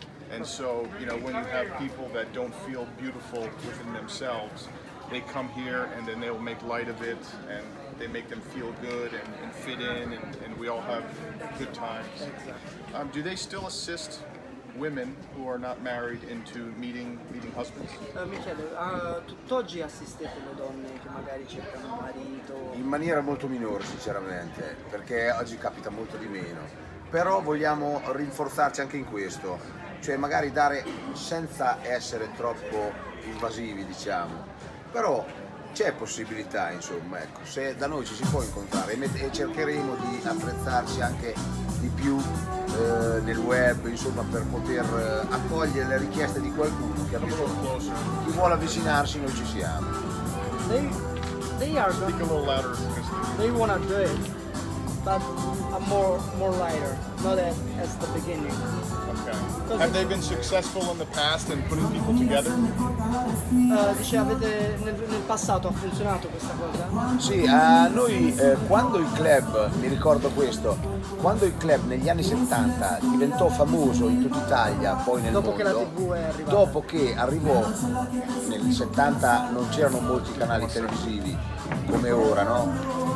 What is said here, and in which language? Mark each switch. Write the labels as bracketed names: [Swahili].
[English] And so, you know, when you have people that don't feel beautiful within themselves, they come here and then they'll make light of it, and they make them feel good and fit in, and we all have good times. Exactly. Do they still assist women who are not married into meeting husbands? [Italian] Michele, tutt'oggi assistete le donne che magari cercano un marito? In maniera molto minore, sinceramente, perché oggi capita molto di meno. Però vogliamo rinforzarci anche in questo, cioè magari dare, senza essere troppo invasivi, diciamo, però c'è possibilità, insomma, ecco, se da noi ci si può incontrare, e cercheremo di apprezzarsi anche di più nel web, insomma, per poter accogliere le richieste di qualcuno che ha bisogno, chi vuole avvicinarsi, noi ci siamo. [English] They are speak a little louder, Christine. They wanna do it, but a more lighter, not as the beginning. Okay. Have they been successful in the past in putting people together? [Italian] Dice, avete nel passato ha funzionato questa cosa? Sì, noi quando il club, mi ricordo questo, quando il club negli anni 70 diventò famoso in tutta Italia, poi nel dopo mondo, che la TV è arrivata. Dopo che arrivò, nel 70 non c'erano molti canali televisivi come ora, no?